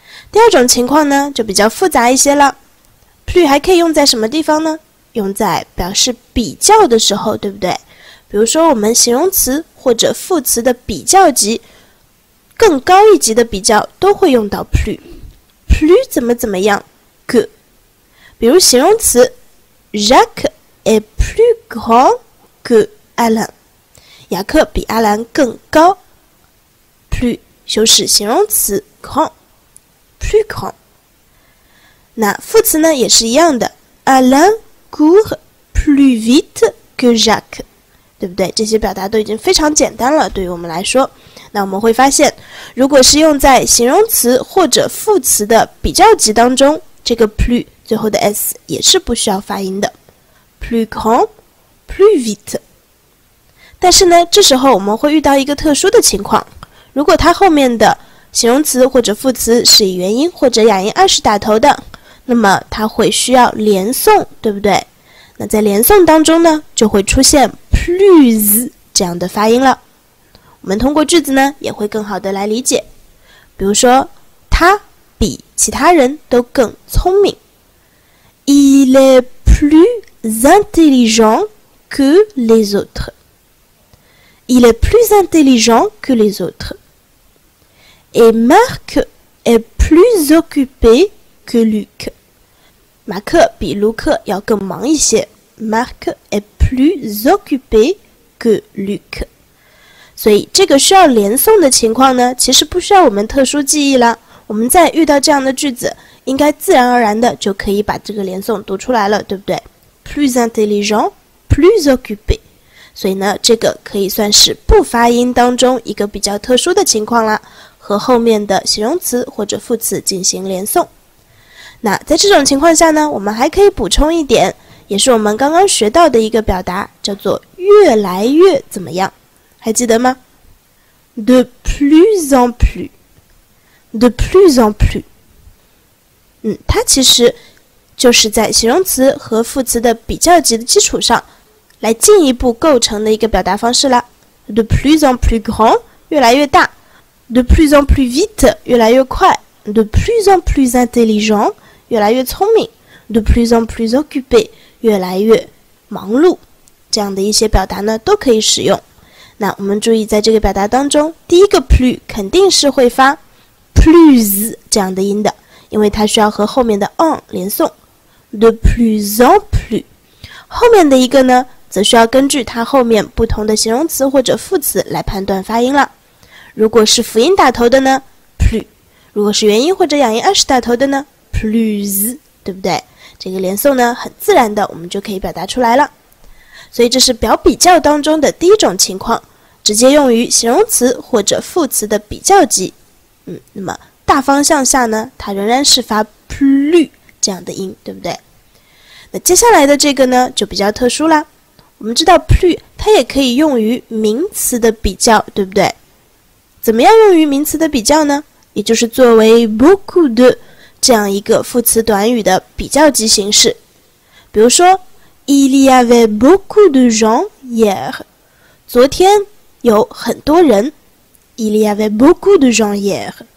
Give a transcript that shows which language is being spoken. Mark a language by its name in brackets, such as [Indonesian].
[Chinese] 第二种情况呢，就比较复杂一些了。plus 还可以用在什么地方呢？用在表示比较的时候，对不对？比如说我们形容词或者副词的比较级，更高一级的比较都会用到 plus。plus 怎么怎么样 que。比如形容词 [French] Jacques est plus grand que Alain。 [Chinese] 雅克比阿兰更高。 plus 修饰形容词 grand。 plus grand。 那副词呢也是一样的。 [French] Alain court plus vite que Jacques。 [Chinese] 对不对？这些表达都已经非常简单了，对于我们来说。那我们会发现，如果是用在形容词或者副词的比较级当中，这个 plus 最后的 s 也是不需要发音的。 [French] plus grand, plus vite。 [Chinese] 但是呢，这时候我们会遇到一个特殊的情况，如果它后面的形容词或者副词是以元音或者哑音二十打头的，那么它会需要连诵，对不对？那在连诵当中呢，就会出现 plus 这样的发音了。我们通过句子呢，也会更好的来理解。比如说，他比其他人都更聪明。 [French] Il est plus intelligent que les autres. Il est plus intelligent que les autres. Et Marc est plus occupé que Luc. [Chinese] 马克比卢克要更忙一些。 [French] Marc est plus occupé que Luc. [Chinese] 所以这个需要连诵的情况呢，其实不需要我们特殊记忆了，我们在遇到这样的句子，应该自然而然的就可以把这个连诵读出来了，对不对？ [French] plus intelligent, plus occupé。 [Chinese] 所以呢，这个可以算是不发音当中一个比较特殊的情况了，和后面的形容词或者副词进行连诵。那在这种情况下呢，我们还可以补充一点，也是我们刚刚学到的一个表达，叫做越来越怎么样，还记得吗？ [French] De plus en plus. De plus en plus. [Chinese] 它其实就是在形容词和副词的比较级的基础上来进一步构成的一个表达方式了。 [French] De plus en plus grand, [Chinese] 越来越大。 [French] De plus en plus vite, [Chinese] 越来越快。 [French] De plus en plus intelligent, [Chinese] 越来越聪明。 [French] De plus en plus occupé, [Chinese] 越来越忙碌。这样的一些表达呢，都可以使用。那我们注意，在这个表达当中，第一个 plus 肯定是会发 plus 这样的音的，因为它需要和后面的 on 连诵。 [French] De plus en plus， [Chinese] 后面的一个呢，则需要根据它后面不同的形容词或者副词来判断发音了。如果是辅音打头的呢 ，plus； 如果是元音或者哑音二十打头的呢 ，plus， 对不对？这个连诵呢，很自然的，我们就可以表达出来了。所以这是表比较当中的第一种情况，直接用于形容词或者副词的比较级。那么大方向下呢，它仍然是发 plus 这样的音，对不对？那接下来的这个呢，就比较特殊啦。我们知道 plus 它也可以用于名词的比较，对不对？怎么样用于名词的比较呢？也就是作为 beaucoup de 这样一个副词短语的比较级形式。比如说 [French] Il y avait beaucoup de gens hier. [Chinese] 昨天有很多人。 [French] Il y avait beaucoup de gens hier.